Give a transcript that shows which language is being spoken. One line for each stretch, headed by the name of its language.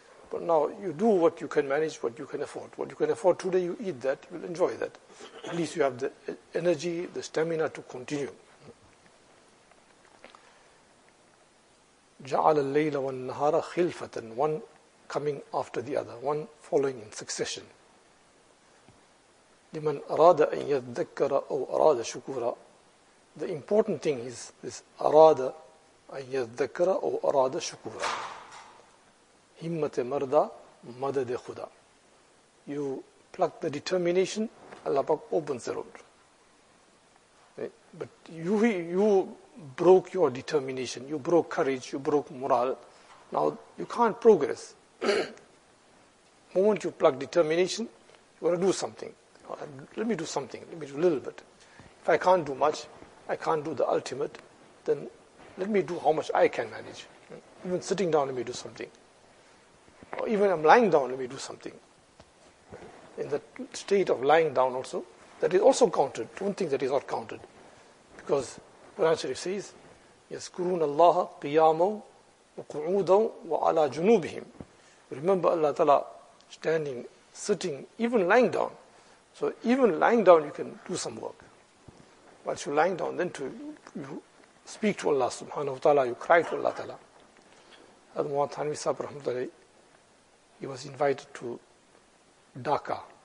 English: But now you do what you can manage, what you can afford. What you can afford today, you eat that, you will enjoy that. At least you have the energy, the stamina to continue.
Arabic: جَعَلَ اللَّيْلَ وَالنَّهَارَ خِلْفَةً.
English: One coming after the other, one following in succession.
Arabic: لِمَنْ أَرَادَ أَنْ يَذَّكَّرَ أَوْ أَرَادَ شُكُورًا.
English: The important thing is this,
Arabic: أَرَادَ أَنْ يَذَّكَّرَ أَوْ أَرَادَ شُكُورًا.
Persian: هِمَّةِ مَرْدَى مَدَدِ خُدَى.
English: You pluck the determination, Allah Pak opens the road. But you broke your determination, you broke courage, you broke morale. Now you can't progress. Moment you pluck determination, you want to do something. Let me do something, let me do a little bit. If I can't do much, I can't do the ultimate, then let me do how much I can manage. Even sitting down, let me do something. Or even I'm lying down, let me do something. In the state of lying down also, that is also counted. Don't think that is not counted. Because Quran Sharif says,
Arabic: يَذْكُرُونَ اللَّهَ قِيَامًا وَقُعُودًا وَعَلَىٰ جُنُوبِهِمْ.
English: Remember Allah Ta'ala standing, sitting, even lying down. So even lying down, you can do some work. Once you're lying down, then you speak to Allah Subhanahu Wa Ta'ala, you cry to Allah Ta'ala. Hazrat Muhammad Thanvi Sahib Rahmatullahi, he was invited to Dhaka.